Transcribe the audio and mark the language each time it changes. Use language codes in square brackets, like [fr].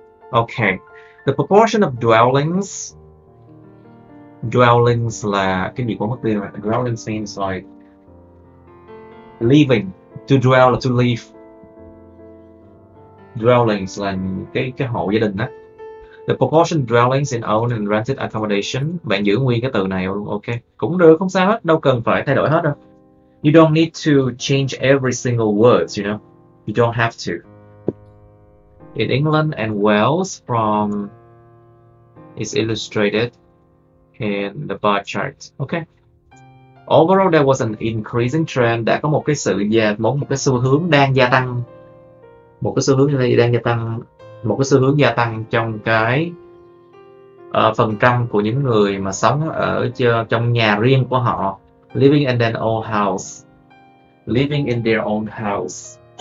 [en] Ok, the proportion of dwellings. Dwellings [vi] là cái gì có mất tiêu rồi. [en] Dwellings means like living. To dwell là to live. [vi] Dwellings là cái hộ gia đình á. [en] The proportion dwellings in owned and rented accommodation. [vi] Bạn giữ nguyên cái từ này, ok. Cũng được, không sao hết, đâu cần phải thay đổi hết đâu. [en] You don't need to change every single word, you know. You don't have to. In England and Wales from is illustrated in the bar chart, ok. Overall there was an increasing trend. [vi] Đã có một cái sự gia, một cái xu hướng đang gia tăng. Một cái xu hướng như đang gia tăng, một cái xu hướng gia tăng trong cái phần trăm của những người mà sống ở trong nhà riêng của họ. [en] Living in their own house. Living in their own house.